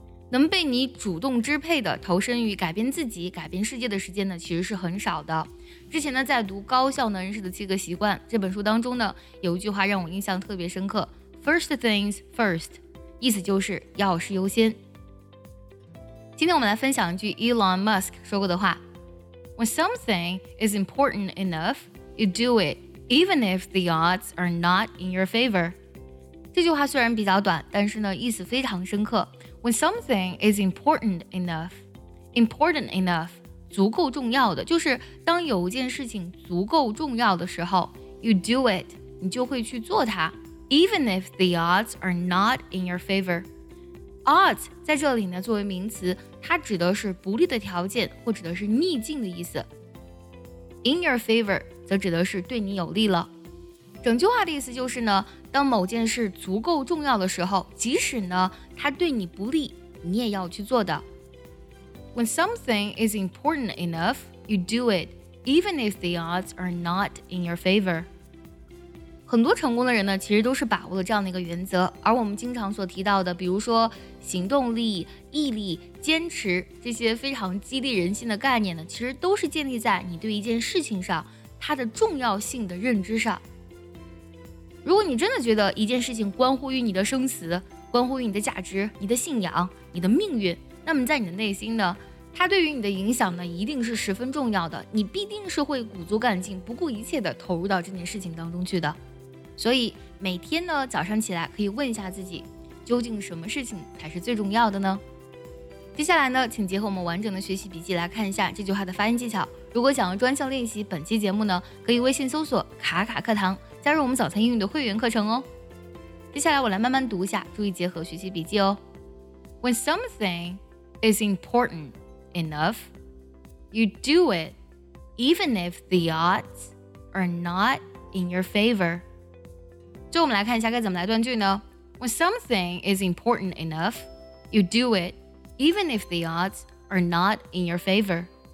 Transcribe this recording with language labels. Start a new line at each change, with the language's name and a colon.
Chinese: 能被你主动支配的投身于改变自己改变世界的时间呢其实是很少的。之前呢在读高效能人士的七个习惯这本书当中呢，有一句话让我印象特别深刻，
English: First things first，
Chinese: 意思就是要事优先。今天我们来分享一句
English: Elon Musk
Chinese: 说过的话，
English: When something is important enough, you do it, even if the odds are not in your favor。
Chinese: 这句话虽然比较短，但是呢意思非常深刻。
English: When something is important enough, important enough,
Chinese: 足够重要的，就是当有一件事情足够重要的时候，
English: you do it,
Chinese: 你就会去做它，
English: even if the odds are not in your favor。
Chinese: Odds 在这里呢作为名词，它指的是不利的条件或指的是逆境的意思，
English: in your favor
Chinese: 则指的是对你有利了。整句话的意思就是呢，当某件事足够重要的时候，即使呢它对你不利，你也要去做的。
English: When something is important enough, you do it, even if the odds are not in your favor。
Chinese: 很多成功的人呢其实都是把握了这样的一个原则，而我们经常所提到的比如说行动力、毅力、坚持这些非常激励人心的概念呢，其实都是建立在你对一件事情上它的重要性的认知上。如果你真的觉得一件事情关乎于你的生死，关乎于你的价值、你的信仰、你的命运，那么在你的内心呢，它对于你的影响呢，一定是十分重要的，你必定是会鼓足干劲、不顾一切的投入到这件事情当中去的。所以每天呢，早上起来可以问一下自己，究竟什么事情才是最重要的呢？接下来呢，请结合我们完整的学习笔记来看一下这句话的发音技巧。如果想要专项练习本期节目呢，可以微信搜索卡卡课堂，加入我们早餐英语的会员课程哦。接下来我来慢慢读一下，注意结合学习笔记哦。
English: When something is important enough, you do it, even if the odds are not in your favor。
Chinese: 最后我们来看一下该怎么来断句呢。
English: When something is important enough, you do it, even if the odds are not in your favor。